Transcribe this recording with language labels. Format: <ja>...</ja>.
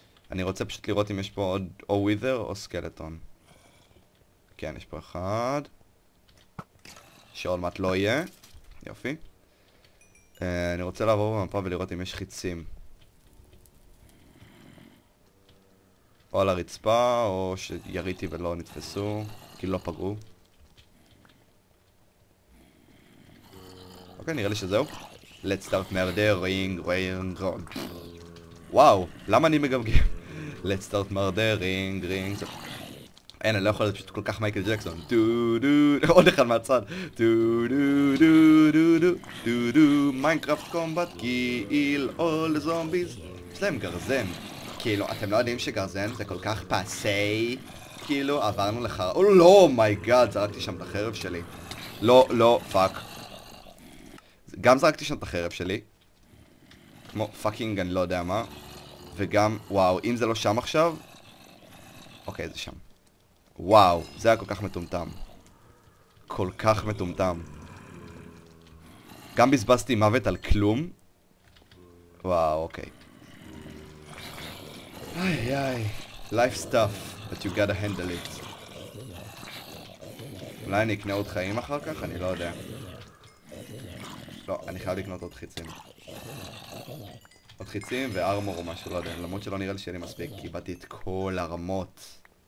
<he>אני רוצה פשוט לראות אם יש פה עוד או ווידר או סקלטון. כן, יש פה אחד. שעוד מעט לא יהיה. יופי. אני רוצה לעבור במפה ולראות אם יש חיצים. או על הרצפה, או שיריתי ולא נתפסו, כי לא פגעו. אוקיי, נראה לי שזהו.</he> <en>Let's start murdering, ring, ring.</en> <he>וואו, למה אני מגמגם?</he> <en>Let's start murdering, ring, ring.</en> <he>אין, אני לא יכול להיות פשוט כל כך מייקל ג'קסון. דו דו, עוד אחד מהצד. דו דו דו דו דו דו דו, מיינקראפט קומבט, קיל אול זומביז. יש להם גרזן. כאילו, אתם לא יודעים שגרזן זה כל כך פאסי? כאילו, עברנו לך... או לא, מיי גאד, זרקתי שם את החרב שלי. לא, לא, פאק. גם זרקתי שם את החרב שלי. כמו פאקינג, אני לא יודע מה. וגם, וואו, אם זה לא שם עכשיו... אוקיי, זה שם. וואו, זה היה כל כך מטומטם. כל כך מטומטם. גם בזבזתי מוות על כלום. וואו, אוקיי.</he> <en>איי איי, life stuff, but you gotta handle it.</en> <he>אולי אני אקנה עוד חיים אחר כך? אני לא יודע. לא, אני חייב לקנות עוד חיצים. עוד חיצים וארמור או משהו, לא יודע. למרות שלא נראה לי שיהיה לי מספיק, כי איבדתי את כל הרמות.</he>